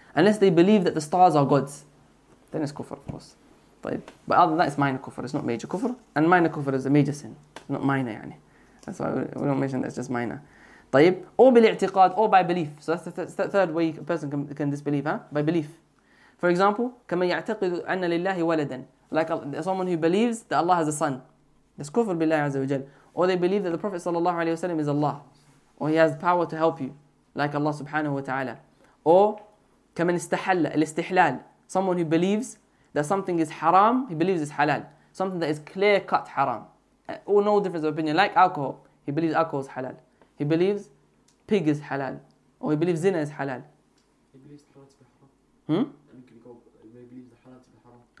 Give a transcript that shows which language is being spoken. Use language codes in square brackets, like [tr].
[en] Unless they believe that the stars are gods, then it's kufr, of course. But other than that, it's minor kufr, it's not major kufr. And minor kufr is a major sin, not minor, yani. That's why we don't mention that it's just minor. طيب, or بالاعتقاد, or by belief. So that's the third way a person can disbelieve, huh? By belief. For example, [ar] كَمَنْ يَعْتَقِدُ أَنَّ لِلَّهِ وَلَدًا. [en] Like someone who believes that Allah has a son. That's kufr بالله عز وجل. Or they believe that the Prophet sallallahu alayhi wa sallam is Allah. Or he has power to help you. Like Allah subhanahu wa ta'ala. [ar] Or كَمَنْ اسْتَحَلَّ الاستحلال. [en] Someone who believes that something is haram, he believes it's halal. Something that is clear cut haram. Or no difference of opinion. Like alcohol. He believes alcohol is halal. He believes pig is halal. Or he believes zina is halal. He believes halal to be haram.